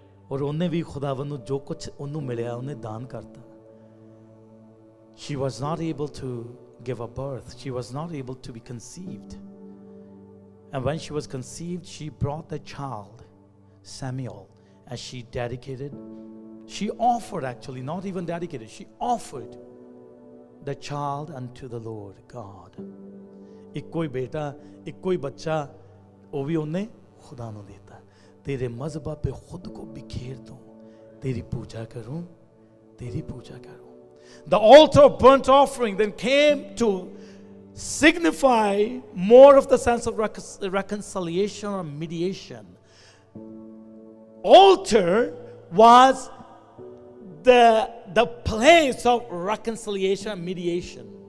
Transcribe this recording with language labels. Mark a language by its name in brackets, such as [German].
[Punjabi] ਔਰ ਉਹਨੇ ਵੀ ਖੁਦਾਵੰ ਨੂੰ ਜੋ ਕੁਛ ਉਹਨੂੰ ਮਿਲਿਆ ਉਹਨੇ ਦਾਨ ਕਰਤਾ. [English] She was not able to give a birth, she was not able to be conceived. And when she was conceived, she brought a child Samuel. As she dedicated, she offered, actually, not even dedicated, she offered the child unto the Lord God. [Punjabi] ਇੱਕੋ ਹੀ ਬੇਟਾ, ਇੱਕੋ ਹੀ ਬੱਚਾ, ਉਹ ਵੀ ਉਹਨੇ ਖੁਦਾ ਨੂੰ ਦਿੱਤਾ. [Hindi] ਤੇਰੇ ਮਜ਼ਬਾ ਪੇ ਖੁਦ ਕੋ ਬਿਖੇਰ ਦੂੰ, ਤੇਰੀ ਪੂਜਾ ਕਰੂੰ, ਤੇਰੀ ਪੂਜਾ ਕਰੂੰ. [English] The altar of burnt offering then came to signify more of the sense of reconciliation or mediation. Altar was the place of reconciliation and mediation.